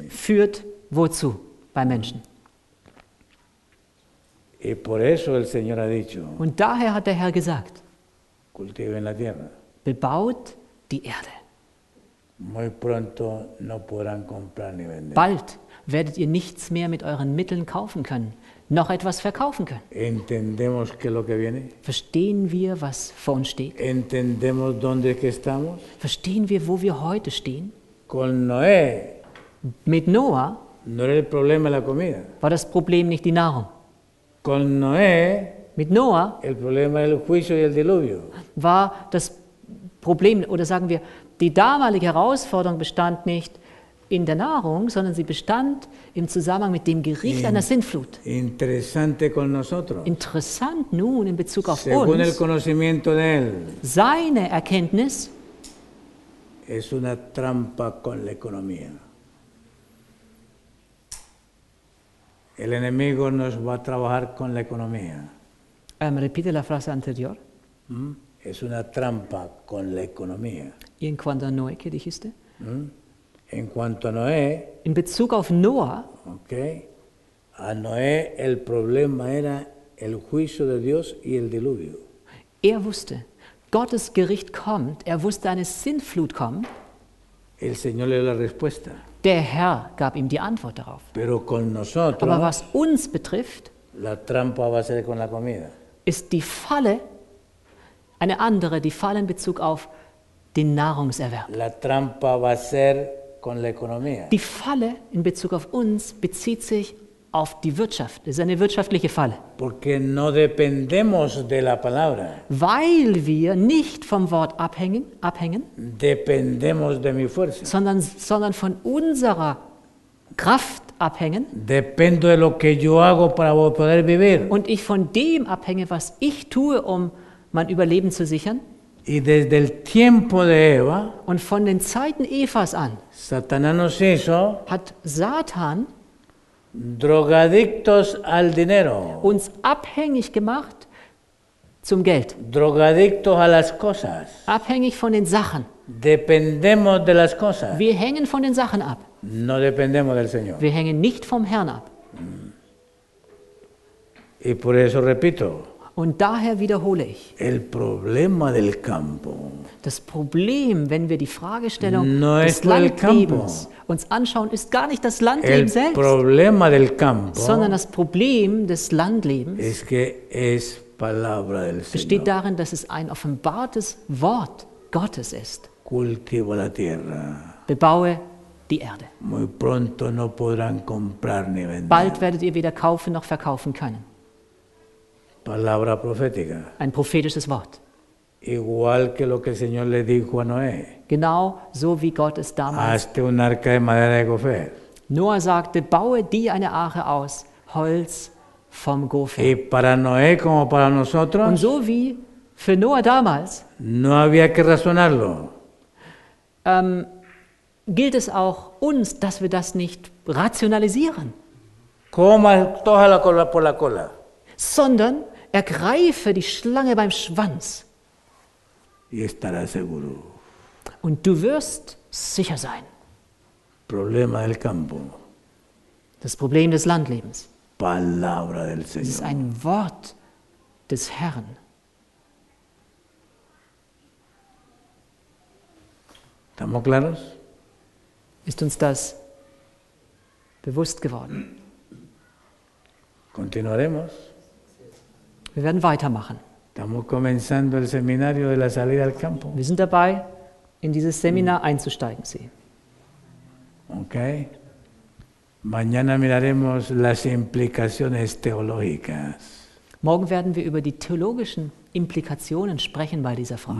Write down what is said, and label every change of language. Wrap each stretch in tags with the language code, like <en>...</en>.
<de>Führt wozu bei Menschen?</de> <es>Y por eso el Señor ha dicho,</es> <de>und daher hat der Herr gesagt,</de> <es>cultiven la tierra.</es> <de>Bebaut die Erde.</de> <es>Muy pronto no podrán comprar ni vender.</es> <de>Bald werdet ihr nichts mehr mit euren Mitteln kaufen können, noch etwas verkaufen können.</de> <es>Entendemos que lo que viene?</es> <de>Verstehen wir, was vor uns steht?</de> <es>Entendemos donde que estamos?</es> <de>Verstehen wir, wo wir heute stehen?</de> <es>Con Noé.</es> <de>Mit Noah</de> <es>no era el problema la comida.</es> <de>War das Problem nicht die Nahrung.</de> <es>Con Noé,</es> <de>mit Noah,</de> <es>el problema del juicio y el diluvio.</es> <de>War das Problem, oder sagen wir, die damalige Herausforderung bestand nicht in der Nahrung, sondern sie bestand im Zusammenhang mit dem Gericht einer Sintflut.</de> <es>Interessante con nosotros.</es> <de>Interessant nun in Bezug auf</de> <es>según</es> <de>uns.</de> <es>El conocimiento de él,</es> <de>seine Erkenntnis</de> <es>es una trampa con la economía. El enemigo nos va a trabajar con la economía. Repite la frase anterior. Es una trampa con la economía. ¿Y en cuanto a Noé, qué dijiste? En cuanto a Noé.</es> <de>In Bezug auf Noah. Okay.</de> <es>A Noé el problema era el juicio de Dios y el diluvio.</es> <de>Er wusste, Gottes Gericht kommt. Er wusste, eine Sintflut kommt.</de> <es>El Señor le dio la respuesta.</es> <de>Der Herr gab ihm die Antwort darauf.</de> <es>Pero con nosotros,</es> <de>aber was uns betrifft,</de> <es>la trampa va a ser con la comida.</es> <de>Ist die Falle eine andere, die Falle in Bezug auf den Nahrungserwerb.</de> <es>La trampa va a ser con la economía.</es> <de>Die Falle in Bezug auf uns bezieht sich auf die Wirtschaft. Es ist eine wirtschaftliche Falle.</de> <es>Porque no dependemos de la palabra.</es> <de>Weil wir nicht vom Wort abhängen,</de> <es>dependemos de mi fuerza.</es> <de>Sondern von unserer Kraft abhängen.</de> <es>Dependo de lo que yo hago para poder vivir.</es> <de>Und ich von dem abhänge, was ich tue, um mein Überleben zu sichern.</de> <es>Y desde el tiempo de Eva,</es> <de>und von den Zeiten Evas an,</de> <es>Satanás nos hizo,</es> <de>hat Satan</de> <es>drogadictos al dinero,</es> <de>uns abhängig gemacht zum Geld.</de> <es>Drogadictos a las cosas.</es> <de>Abhängig von den Sachen.</de> <es>Dependemos de las cosas.</es> <de>Wir hängen von den Sachen ab.</de> <es>No dependemos del Señor.</es> <de>Wir hängen nicht vom Herrn ab.</de> <es>Y por eso repito,</es> <de>und daher wiederhole ich,</de> <es>el problema del campo,</es> <de>das Problem, wenn wir die Fragestellung</de> <es>no</es> <de>des Landlebens uns anschauen, ist gar nicht das Landleben</de> <es>el</es> <de>selbst,</de> <es>problema del campo,</es> <de>sondern das Problem des Landlebens</de> <es>es que es palabra del Señor.</es> <de>Besteht darin, dass es ein offenbartes Wort Gottes ist.</de> <es>Cultivo la tierra.</es> <de>Bebaue die Erde.</de> <es>Muy pronto no podrán comprar ni vender.</es> <de>Bald werdet ihr weder kaufen noch verkaufen können.</de> <es>Palabra profética.</es> <de>Ein prophetisches Wort.</de> <es>Igual que lo que el Señor le dijo a Noé.</es> <de>Genau so wie Gott es damals.</de> <es>Hazte un arca de madera de gofer.</es> <de>Noah sagte, baue dir eine Arche aus Holz vom Gofer.</de> <es>Y para Noé como para nosotros.</es> <de>Und so wie für Noah damals.</de> <es>No había que razonarlo.</es> <de>Gilt es auch uns, dass wir das nicht rationalisieren.</de> <es>Coma toda la cola por la cola.</es> <de>Sondern ergreife die Schlange beim Schwanz.</de> <es>Y estará seguro.</es> <de>Und du wirst sicher sein.</de> <es>Problema del campo.</es> <de>Das Problem des Landlebens.</de> <es>Palabra del Señor.</es> <de>Es ist ein Wort des Herrn.</de> <es>¿Estamos claros?</es> <de>Ist uns das bewusst geworden?</de> <es>Continuaremos.</es> <de>Wir werden weitermachen.</de> <es>Estamos comenzando el seminario de la salida al campo.</es> <de>Wir sind dabei, in dieses Seminar einzusteigen, Sie. Okay.</de> <es>Mañana miraremos las implicaciones teológicas.</es> <de>Morgen werden wir über die theologischen Implikationen sprechen bei dieser Frage.</de>